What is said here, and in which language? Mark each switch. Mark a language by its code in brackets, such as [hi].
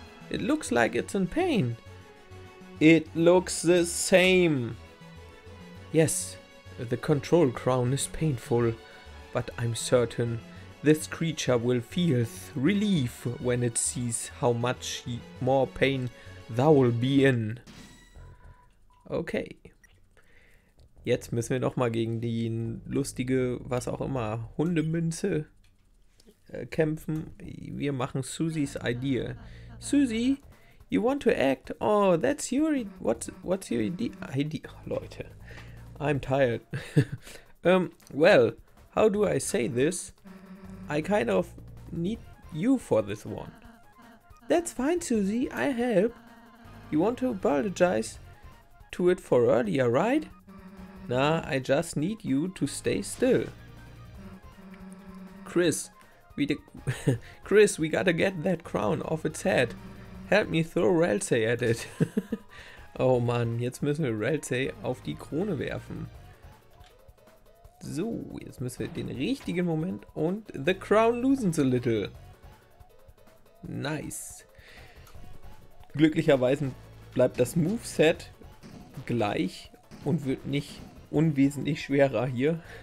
[en] It looks like it's in pain. It looks the same. Yes, the control crown is painful, but I'm certain this creature will feel relief when it sees how much more pain thou'll be in. Okay. [de] Jetzt müssen wir nochmal gegen die lustige, was auch immer, Hundemünze kämpfen. Wir machen Susies Idee. [en] Susie, you want to act? Oh, that's your... What's your idea? Oh, Leute, I'm tired. well, how do I say this? I kind of need you for this one. That's fine, Susie. I help. You want to apologize to it for earlier, right? Nah, I just need you to stay still. Chris, we gotta get that crown off its head. Help me throw Ralsei at it. [de] Oh man, jetzt müssen wir Ralsei auf die Krone werfen. So, jetzt müssen wir den richtigen Moment und [en] the crown loosens a little. Nice. [de] Glücklicherweise bleibt das Moveset gleich und wird nicht unwesentlich schwerer hier.